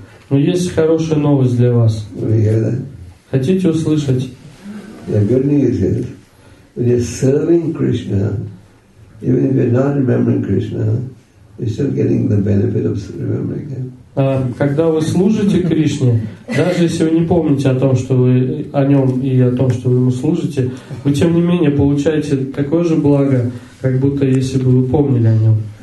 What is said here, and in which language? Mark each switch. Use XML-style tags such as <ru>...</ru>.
<ru>Но есть хорошая новость для вас. Хотите услышать?</ru> <en>Yeah, good news is, when you're serving Krishna, even if you're not remembering Krishna, you're still getting the benefit of remembering Him.</en> <ru>Когда вы служите Кришне, даже если вы не помните о том, что вы о нем и о том, что вы ему служите, вы тем не менее получаете такое же благо, как будто если бы вы помнили о нем.</ru>